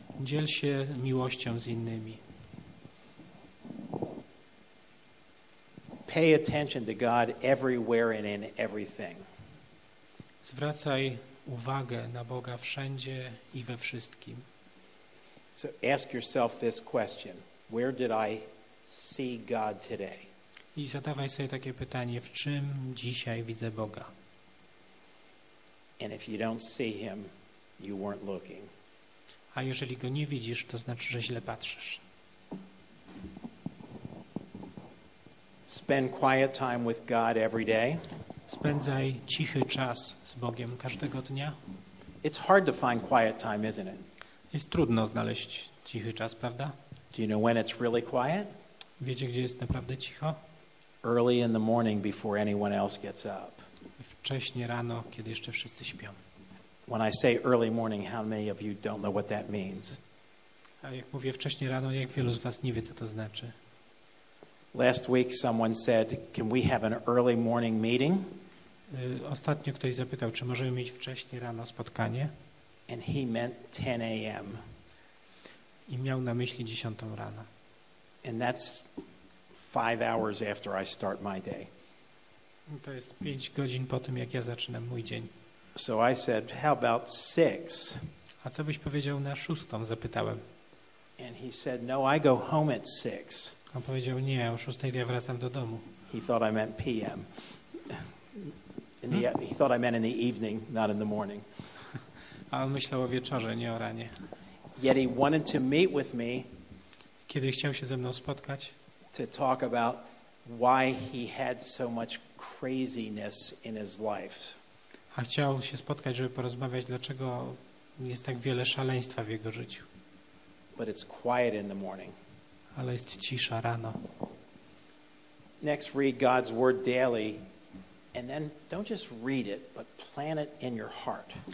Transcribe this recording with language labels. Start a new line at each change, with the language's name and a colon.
Polish: Dziel się miłością z innymi.
English: Pay attention to God everywhere and in everything.
Polish: Zwracaj uwagę na Boga wszędzie i we wszystkim.
English: So ask yourself this question: where did I see God today?
Polish: I zadawaj sobie takie pytanie: w czym dzisiaj widzę Boga?
English: And if you don't see him, you weren't looking.
Polish: A jeżeli go nie widzisz, to znaczy, że źle patrzysz.
English: Spend quiet time with God every day.
Polish: Spędzaj cichy czas z Bogiem każdego dnia.
English: It's hard to find quiet time, isn't it?
Polish: Jest trudno znaleźć cichy czas, prawda?
English: Do you know when it's really quiet?
Polish: Wiecie, gdzie jest naprawdę cicho?
English: Early in the morning before anyone else gets up.
Polish: Wcześnie rano, kiedy jeszcze wszyscy śpią.
English: When I say early morning, how many of you don't know what that means?
Polish: A jak mówię wcześniej rano, jak wielu z was nie wie, co to znaczy?
English: Last week someone said, can we have an early morning meeting?
Polish: Ostatnio ktoś zapytał, czy możemy mieć wcześniej rano spotkanie?
English: And he meant 10 a.m.
Polish: I miał na myśli 10 rano.
English: And that's 5 hours after I start my day.
Polish: To jest 5 godzin po tym, jak ja zaczynam mój dzień.
English: So I said, how about 6?
Polish: A co byś powiedział na 6? Zapytałem.
English: And he said, no, I go home at 6.
Polish: On powiedział, nie, o 6 ja wracam do domu.
English: He thought I meant p.m. He thought I meant in the evening, not in the morning.
Polish: A on myślał o wieczorze, nie o ranie.
English: Yet he wanted to meet with me.
Polish: Kiedy chciał się ze mną spotkać.
English: To talk about why he had so much craziness in his life.
Polish: A chciał się spotkać, żeby porozmawiać, dlaczego jest tak wiele szaleństwa w jego życiu.
English: But it's quiet in the morning.
Polish: Ale jest cisza rano.
English: Next, read God's word daily And then don't just read it, but plan it in your heart.